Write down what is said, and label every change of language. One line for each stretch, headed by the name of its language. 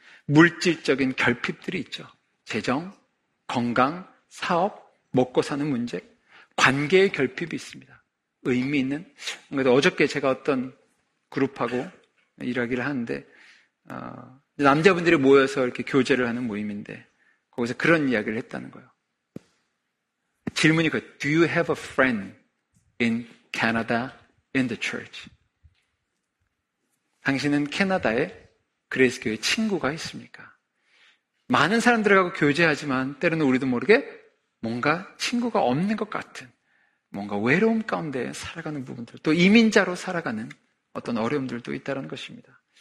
Korean: 물질적인 결핍들이 있죠. 재정, 건강, 사업, 먹고 사는 문제, 관계의 결핍이 있습니다. 의미 있는? 그래도 어저께 제가 어떤 그룹하고 일하기를 하는데 남자분들이 모여서 이렇게 교제를 하는 모임인데 거기서 그런 이야기를 했다는 거예요. 질문이 그
English: Do you have a friend in Canada in the church?
Korean: 당신은 캐나다에 그레이스 교회 친구가 있습니까? 많은 사람들하고 교제하지만 때로는 우리도 모르게 뭔가 친구가 없는 것 같은 뭔가 외로움 가운데 살아가는 부분들 또 이민자로 살아가는 어떤 어려움들도 있다는 것입니다.